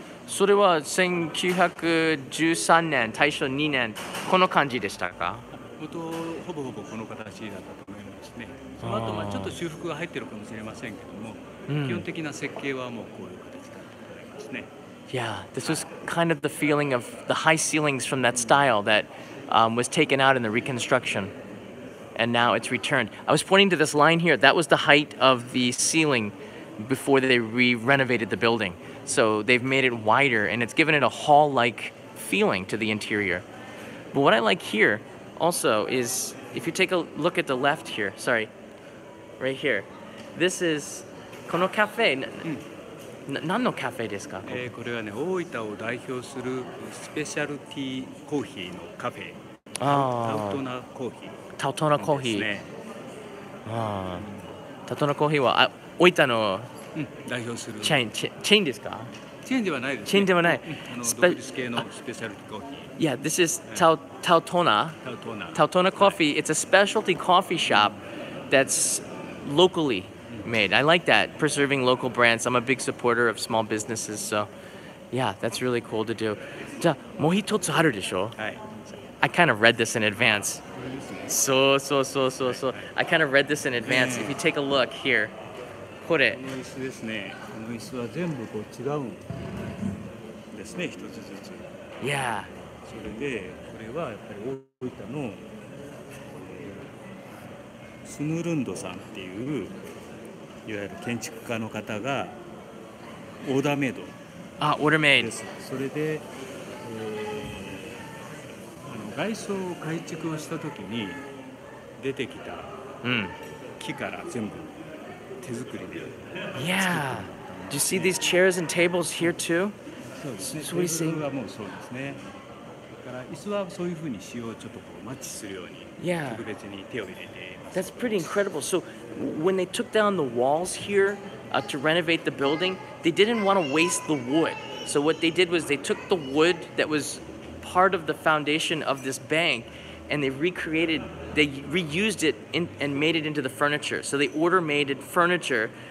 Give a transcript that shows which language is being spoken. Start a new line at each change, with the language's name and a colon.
Japanese: それは1913年、大正2年、この感じでしたか？ほぼほぼこの形だったと思いますね。その後まあちょっと修復が入ってるかもしれませんけども、うん、基本的な設計はもうこういう形だと思いますね。
English: Yeah, this was kind of the feeling of the high ceilings from that style that was taken out in the reconstruction, and now it's returned. I was pointing to this line here. That was the height of the ceiling before they re-renovated the building. So they've made it wider, and it's given it a hall-like feeling to the interior. But what I like here. Also, is if you take a look at the left here, sorry, right here, this is
Japanese: このカフェ、何のカフェですか？これはね、大分を代表するスペシャルティーコーヒーのカフェ。タウトナコーヒー。タウトナコーヒー。タウトナコーヒーは大分の代表するチェーンですか？チェーンではないです、ね。チェーンではない。あの独立系のスペシャルティーコーヒー。
English: Yeah, this is Tautona. Tautona Coffee. Right. It's a specialty coffee shop that's locally made. I like that, preserving local brands. I'm a big supporter of small businesses, so yeah, that's really cool to do.
Japanese: じゃあ、もう一つあるでしょ？はい。
English: I kind of read this in advance. So. I kind of read this in advance. If you take a look here, put it.
Japanese: この椅子ですね。この椅子は全部こう違うんですね、一つずつ。
English: Yeah.
Japanese: それでこれはやっぱり大分のスヌルンドさんっていういわゆる建築家の方がオーダーメイドです。あ、オーダーメイド。それで、あの外装を改築をした時に出てきた木から全部手作りで作ったんですね。
English: Yeah. Do you see these chairs and tables here too?
Japanese: そうですね。テーブルはもうそうですね。椅子はそういうふうに使用をちょっとこうマッチするように特別に手を入れています
English: 。 Yeah. That's pretty incredible. So when they took down the walls here, to renovate the building, they didn't want to waste the wood. So what they did was they took the wood that was part of the foundation of this bank and they recreated, they reused it in, and made it into the furniture. So they order made it furniture